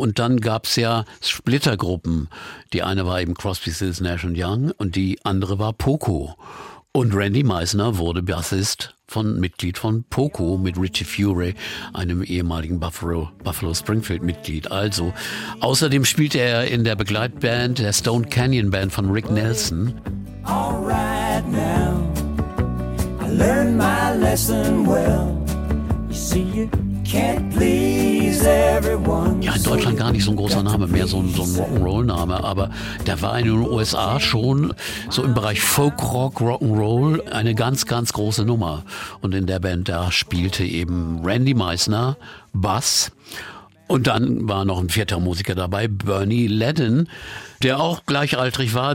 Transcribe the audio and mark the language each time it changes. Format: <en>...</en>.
<de>Und dann gab es ja Splittergruppen. Die eine war eben Crosby, Stills, Nash & Young und die andere war Poco. Und Randy Meisner wurde Bassist von Mitglied von Poco mit Richie Furay, einem ehemaligen Buffalo Springfield Mitglied. Also, außerdem spielte er in der Begleitband der Stone Canyon Band von Rick Nelson.</de> <en>All right now, I learned my lesson well. You see, you can't please everyone.</en> <de>Ja, in Deutschland gar nicht so ein großer Name, mehr so ein Rock'n'Roll-Name, aber der war in den USA schon so im Bereich Folk-Rock, Rock'n'Roll eine ganz, ganz große Nummer. Und in der Band, da spielte eben Randy Meisner Bass. Und dann war noch ein 4. Musiker dabei, Bernie Ledden, der auch gleichaltrig war.</de>